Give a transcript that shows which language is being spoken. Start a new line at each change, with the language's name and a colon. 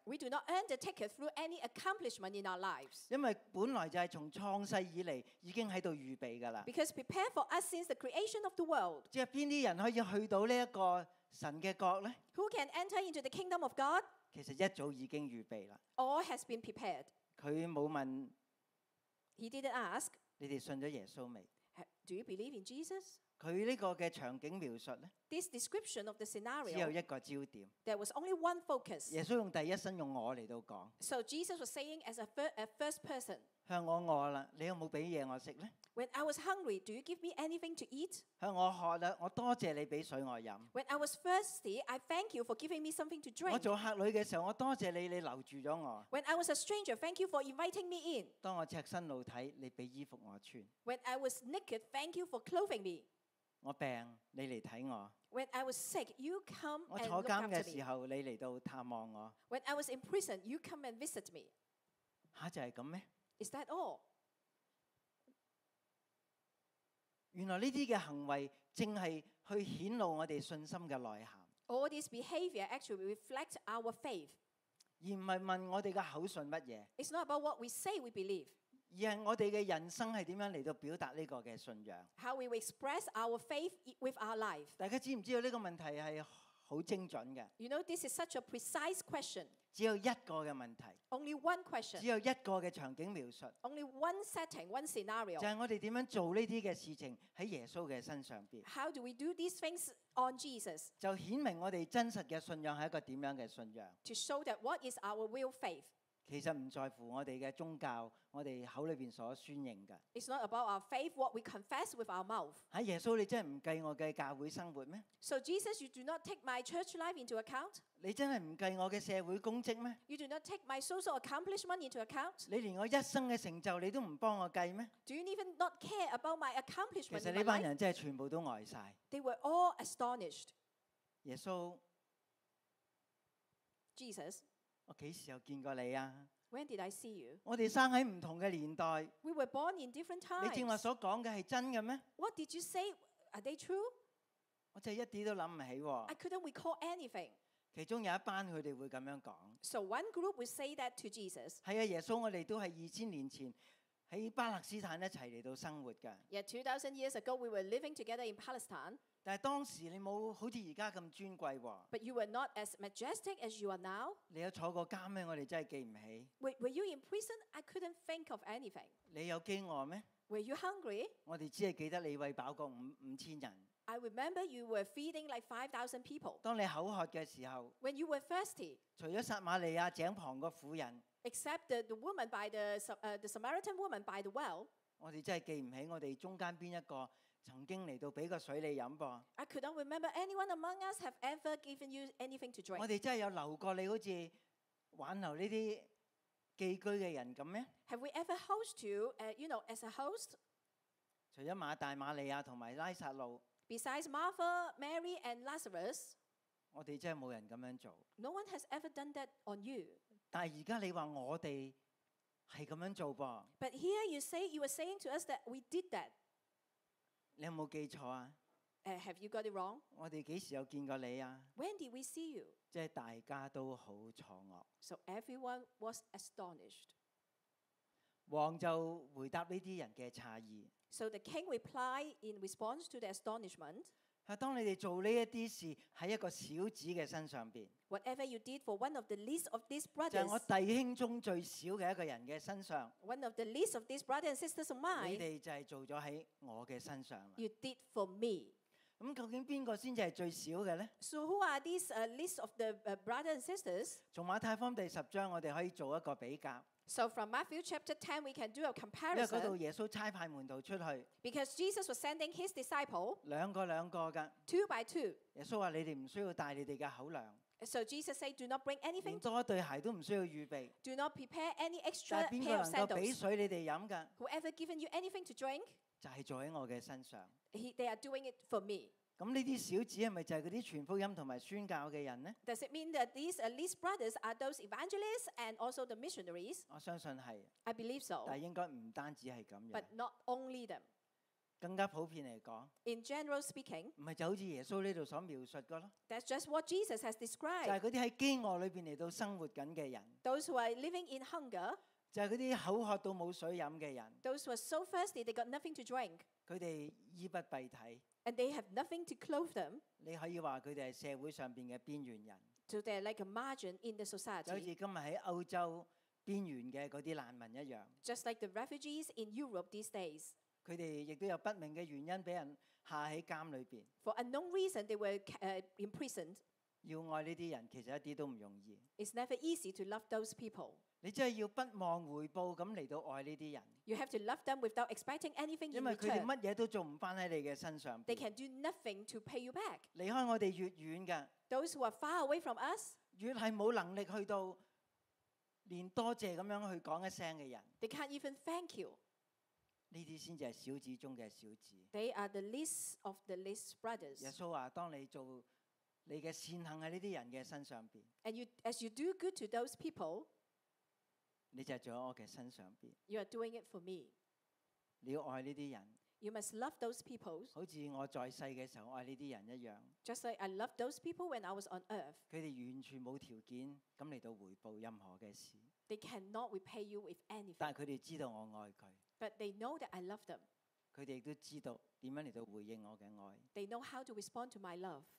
English: We do not earn the ticket through any accomplishment in our lives。
Cantonese: 因為本來就係從創世以嚟已經喺度預備㗎啦。
English: Because prepare for us since the creation of the world。
Cantonese: 即係邊啲人可以去到呢一個神嘅國咧
English: ？Who can enter into the kingdom of God？
Cantonese: 其實一早已經預備啦。
English: All has been prepared。
Cantonese: 佢冇問。
English: He didn't ask。
Cantonese: 你哋信咗耶稣未
English: ？Do you believe in Jesus？
Cantonese: 佢呢个嘅场景描述咧
English: ，This description of the scenario
Cantonese: 只有一个焦点。
English: There was only one focus。
Cantonese: 耶稣用第一身用我嚟到讲。
English: So Jesus was saying as a first person。
Cantonese: 向我饿啦，你有冇俾嘢我食咧
English: ？When I was hungry, do you give me anything to eat？
Cantonese: 向我渴啦，我多谢你俾水我饮。
English: When I was thirsty, I thank you for giving me something to drink。
Cantonese: 我做客旅嘅时候，我多谢你，你留住咗我。
English: When I was a stranger, thank you for inviting me in。
Cantonese: 当我赤身露体，你俾衣服我穿。
English: When I was naked, thank you for clothing me。
Cantonese: 我病，你嚟睇我。
English: When I was sick, you come and look after me。
Cantonese: 我坐监嘅时候，你嚟到探望我。
English: When I was in prison, you come and visit me。
Cantonese: 吓，就系咁咩？
English: Is that all?
Cantonese: 原来呢啲嘅行为正系去显露我哋信心嘅内涵。
English: All this behavior actually reflects our faith.
Cantonese: 而唔系问我哋嘅口信乜嘢。
English: It's not about what we say we believe.
Cantonese: 而系我哋嘅人生系点样嚟到表达呢个嘅信仰。
English: How we express our faith with our life.
Cantonese: 大家知唔知道呢个问题系好精准嘅
English: ？You know this is such a precise question.
Cantonese: 只有一個嘅問題
English: ，Only one question。
Cantonese: 只有一個嘅場景描述
English: ，Only one setting, one scenario。
Cantonese: 就係我哋點樣做呢啲嘅事情喺耶穌嘅身上邊
English: ？How do we do these things on Jesus？
Cantonese: 就顯明我哋真實嘅信仰係一個點樣嘅信仰
English: ？To show that what is our real faith。
Cantonese: 其實唔在乎我哋嘅宗教，我哋口裏邊所宣認嘅。
English: It's not about our faith, what we confess with our mouth。
Cantonese: 喺耶穌，你真係唔計我嘅教會生活咩
English: ？So Jesus, you do not take my church life into account。
Cantonese: 你真係唔計我嘅社會功績咩
English: ？You do not take my social accomplishment into account。
Cantonese: 你連我一生嘅成就你都唔幫我計咩
English: ？Do you even not care about my accomplishment？
Cantonese: 其實呢班人真係全部都呆曬。
English: They were all astonished。
Cantonese: 耶穌
English: ，Jesus。
Cantonese: 我几时有见过你啊
English: ？When did I see you？
Cantonese: 我哋生喺唔同嘅年代。
English: We were born in different times。
Cantonese: 你正话所讲嘅系真嘅咩
English: ？What did you say？ Are they true？
Cantonese: 我真係一啲都諗唔起喎。
English: I couldn't recall anything。
Cantonese: 其中有一班佢哋會咁樣講。
English: So one group would say that to Jesus。
Cantonese: 係啊，耶穌，我哋都係2000年前喺巴勒斯坦一齊嚟到生活㗎。
English: Yeah, 2000 years ago we were living together in Palestine。
Cantonese: 但係當時你冇好似而家咁尊貴喎。
English: But you were not as majestic as you are now。
Cantonese: 你有坐過監咩？我哋真係記唔起。
English: Were you in prison? I couldn't think of anything。
Cantonese: 你有飢餓咩？
English: Were you hungry?
Cantonese: 我哋只係記得你餵飽過5000人。
English: I remember you were feeding like 5,000 people。
Cantonese: 當你口渴嘅時候。
English: When you were thirsty。
Cantonese: 除咗撒瑪利亞井旁個婦人。
English: Except the woman by the Samaritan woman by the well。
Cantonese: 我哋真係記唔起我哋中間邊一個曾經嚟到俾個水你飲噃。
English: I could not remember anyone among us have ever given you anything to drink。
Cantonese: 我哋真係有留過你好似挽留呢啲。寄居嘅人咁咩？
English: Have we ever host you, you know, as a host?
Cantonese: 除咗馬大、瑪利亞同埋拉撒路
English: ，besides Martha, Mary, and Lazarus，
Cantonese: 我哋真係冇人咁樣做。
English: No one has ever done that on you。
Cantonese: 但係而家你話我哋係咁樣做噃。
English: But here you say you were saying to us that we did that。
Cantonese: 你有冇記錯啊？
English: Have you got it wrong？
Cantonese: 我哋幾時有見過你啊
English: ？When did we see you？
Cantonese: 即係大家都好錯愕。
English: So everyone was astonished。
Cantonese: 王就回答呢啲人嘅詫異。
English: So the king replied in response to the astonishment。
Cantonese: 當你哋做呢一啲事喺一個小子嘅身上邊
English: ，whatever you did for one of the least of these brothers，
Cantonese: 就係我弟兄中最少嘅一個人嘅身上
English: ，one of the least of these brothers and sisters of mine，
Cantonese: 你哋就係做咗喺我嘅身上啦。
English: You did for me。
Cantonese: 咁究竟邊個先至係最少嘅咧
English: ？So who are these least of the brothers and sisters？
Cantonese: 從馬太福音第十章，我哋可以做一個比較。
English: So from Matthew chapter 10, we can do a comparison.
Cantonese: 因為嗰度耶穌差派門徒出去。
English: Because Jesus was sending his disciple.
Cantonese: 兩個兩個嘅。
English: Two by two.
Cantonese: 耶穌話：你哋唔需要帶你哋嘅口糧。
English: So Jesus said, "Do not bring anything."
Cantonese: 連多一對鞋都唔需要預備。
English: Do not prepare any extra pair of sandals.
Cantonese: 但係邊個能夠俾水你哋飲嘅
English: ？Whoever given you anything to drink.
Cantonese: 就係做喺我嘅身上。
English: They are doing it for me.
Cantonese: 咁呢啲小子係咪就係嗰啲傳福音同埋宣教嘅人呢
English: ？Does it mean that these at least brothers are those evangelists and also the missionaries？
Cantonese: 我相信係。
English: I believe so。
Cantonese: 但係應該唔單止係咁樣。
English: But not only them。
Cantonese: 更加普遍嚟講。
English: In general speaking。
Cantonese: 唔係就好似耶穌呢度所描述嘅咯。
English: That's just what Jesus has described。
Cantonese: 就係嗰啲喺飢餓裏邊嚟到生活緊嘅人。
English: Those who are living in hunger。
Cantonese: 就係嗰啲口渴到冇水飲嘅人。
English: Those who are so thirsty they got nothing to drink。
Cantonese: 佢哋衣不蔽體。
English: And they have nothing to clothe them.
Cantonese: 你可以話佢哋係社會上邊嘅邊緣人。
English: So they're like a margin in the society.
Cantonese: 就好似今日喺歐洲邊緣嘅嗰啲難民一樣。
English: Just like the refugees in Europe these days.
Cantonese: 佢哋亦都有不明嘅原因俾人下喺監裏邊。
English: For unknown reason, they were imprisoned.
Cantonese: 要愛呢啲人其實一啲都唔容易。
English: It's never easy to love those people.
Cantonese: 你真係要不望回報咁嚟到愛呢啲人。
English: You have to love them without expecting anything in return.
Cantonese: 因為佢哋乜嘢都做唔翻喺你嘅身上。
English: They can do nothing to pay you back.
Cantonese: 離開我哋越遠嘅。
English: Those who are far away from us.
Cantonese: 越係冇能力去到連多謝咁樣去講一聲嘅人。
English: They can't even thank you.
Cantonese: 呢啲先至係小子中嘅小子。
English: They are the least of the least brothers.
Cantonese: 耶穌話：當你做你嘅善行喺呢啲人嘅身上邊。
English: And you, as you do good to those people. You are doing it for me.
Cantonese: 你要爱呢啲人。
English: You must love those people.
Cantonese: 好似我在世嘅时候爱呢啲人一样。
English: Just like I loved those people when I was on earth.
Cantonese: 佢哋完全冇条件咁嚟到回报任何嘅事。
English: They cannot repay you with anything.
Cantonese: 但系佢哋知道我爱佢。
English: But they know that I love them.
Cantonese: 佢哋亦都知道点样嚟到回应我嘅爱。
English: They know how to respond to my love.